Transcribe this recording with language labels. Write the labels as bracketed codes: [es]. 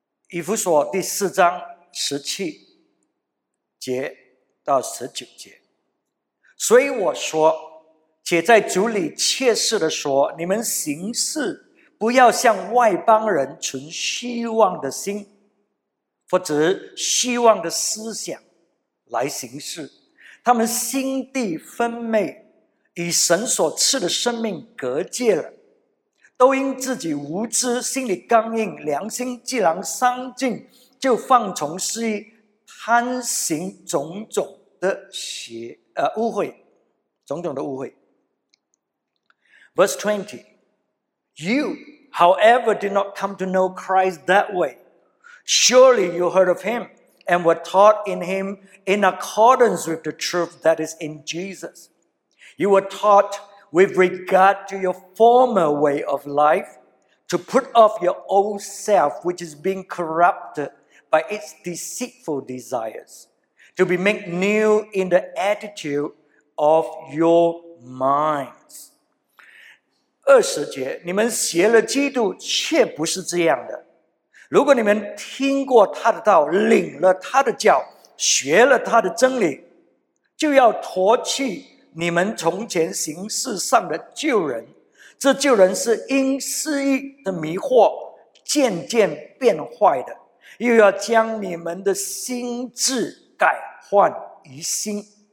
[zh] 以弗所第四章十七节到十九节，所以我说，且在主里切实的说，你们行事不要像外邦人存虚妄的心，或者虚妄的思想来行事，他们心地分昧，与神所赐的生命隔界了。都因自己无知，心里刚硬，良心既然伤尽，就放纵肆意，贪行种种的污秽，种种的污秽。 [en] Verse 20, you, however, did not come to know Christ that way. Surely you heard of him and were taught in him in accordance with the truth that is in Jesus. You were taught with regard to your former way of life, to put off your old self, which is being corrupted by its deceitful desires, to be made new in the attitude of your minds. [zh] 二十节，你们学了基督，却不是这样的。如果你们听过他的道，领了他的教，学了他的真理，就要脱去你们从前行事上的旧人，这旧人是因私欲的迷惑渐渐变坏的，又要将你们的心智改换于新。